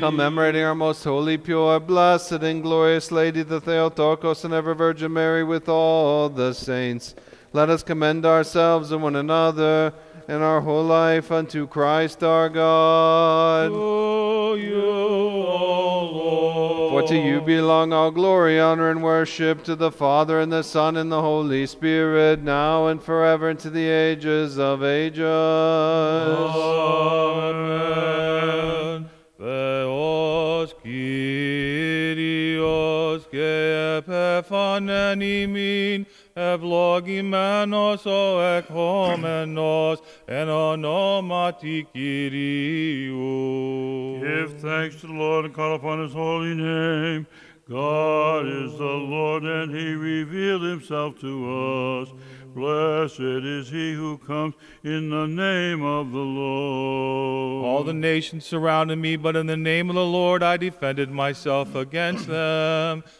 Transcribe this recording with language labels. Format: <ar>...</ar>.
<en>Commemorating our most holy, pure, blessed, and glorious Lady, the Theotokos and ever Virgin Mary, with all the saints, let us commend ourselves and one another and our whole life unto Christ our God. To you, O Lord. For to you belong all glory, honor, and worship, to the Father, and the Son, and the Holy Spirit, now and forever, and to the ages of ages. Amen.</en> <el>Theos Kyrios και επεφανέν ημίν, ευλογημένος ο εκχόμενος εν ονόματι Κυρίου.</el> <en>Give thanks to the Lord and call upon his holy name. God is the Lord and he revealed himself to us. Blessed is he who comes in the name of the Lord. All the nations surrounded me, but in the name of the Lord I defended myself against them.</en>